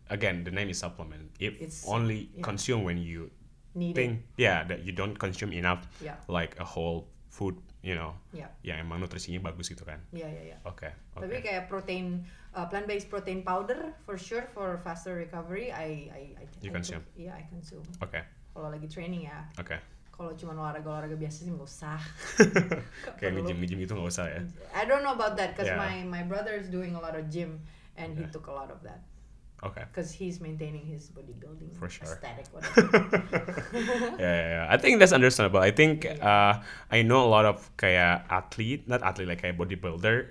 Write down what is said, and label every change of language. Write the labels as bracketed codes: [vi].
[en] Again, the name is supplement. It's only consumed when you need that you don't consume enough, like a whole food. You know, [id] emang nutrisinya bagus gitu kan? [en] Yeah. Okay. [id] Tapi kayak [en] protein, plant-based protein powder for sure for faster recovery. I consume. Okay. [id] Kalau lagi training ya. [en] Okay. [id] Kalau cuma olahraga biasa sih nggak usah. Kayak gym itu nggak usah ya? [en] I don't know about that because my brother is doing a lot of gym and he took a lot of that. Okay. Because he's maintaining his bodybuilding for sure. Aesthetic. I think that's understandable. I think I know a lot of [id] kayak kayak [en] bodybuilder.